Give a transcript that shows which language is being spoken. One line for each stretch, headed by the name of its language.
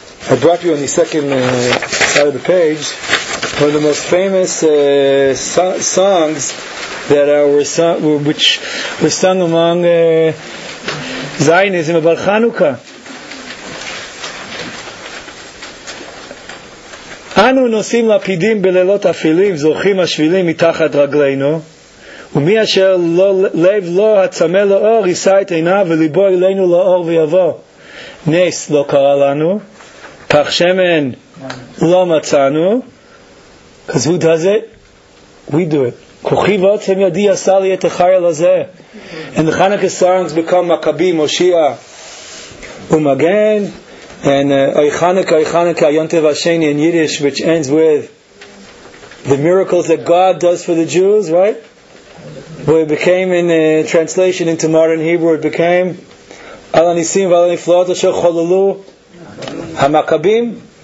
English: I brought you on the second side of the page one of the most famous songs that were sung among Zionism about Chanukah.
Hebrew: אנו נוסעים לפידים בלילות אפלים, זוכים השבילים מתחת רגלינו, ומי אשר לא, לב לא הצמא לאור, יישא את עיניו וליבו אלינו לאור ויבוא. נס לא קרה לנו, פח שמן לא מצאנו,
English: because who does it? We do it.
Hebrew: כוחי ועוצם ידי עשה לי את החיל הזה.
English: And the Hanukkah songs become Maccabi, Moshiach, Umagen, and Oichanukkah, Oichanukkah, Yontev Hasheni in Yiddish, which ends with the miracles that God does for the Jews, right? Where it became in translation into modern Hebrew, it became Al Anisim V'Al Aniflaot Asher Cholalu HaMakabim.